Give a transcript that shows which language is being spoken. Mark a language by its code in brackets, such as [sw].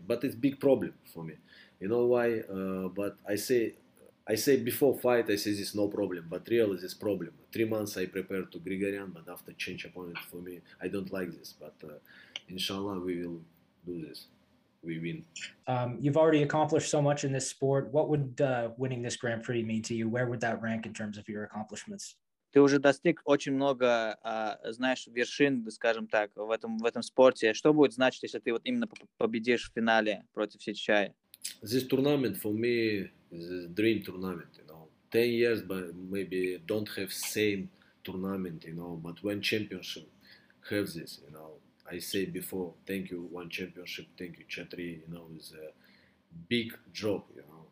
[en] But it's big problem for me. You know why? But I say before fight, I say this no problem, but real is this problem. 3 months I prepared to Grigoryan, but after change opponent for me, I don't like this. But inshallah, we will do this. We win. You've already accomplished so much in this sport. What would winning this Grand Prix mean to you? Where would that rank in terms of your accomplishments? [ru] Ты уже достиг очень много, знаешь, вершин, скажем так, в этом спорте. Что будет значить, если ты вот именно победишь в финале против Сичая? [en] This tournament for me is a dream tournament, you know. 10 years, but maybe don't have same tournament, you know. But one championship have this, you know. I say before, thank you, one championship, thank you, Chatri, you know, is a big job, you know.